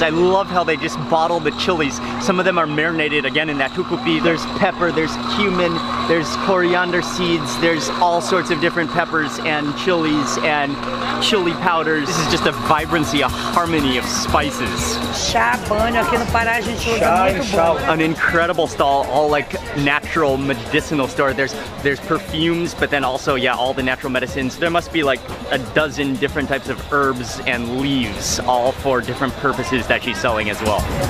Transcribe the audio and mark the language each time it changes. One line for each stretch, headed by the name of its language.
English: I love how they just bottle the chilies. Some of them are marinated again in that tucupi. There's pepper, there's cumin, there's coriander seeds, there's all sorts of different peppers and chilies and chili powders. This is just a vibrancy, a harmony of spices.
Portuguese: Chá, banho, aqui no Pará a gente usa muito bom.
English: An incredible stall, all like natural medicinal store. There's perfumes, but then also, yeah, all the natural medicines. There must be like a dozen different types of herbs and leaves, all for different purposes that she's selling as well.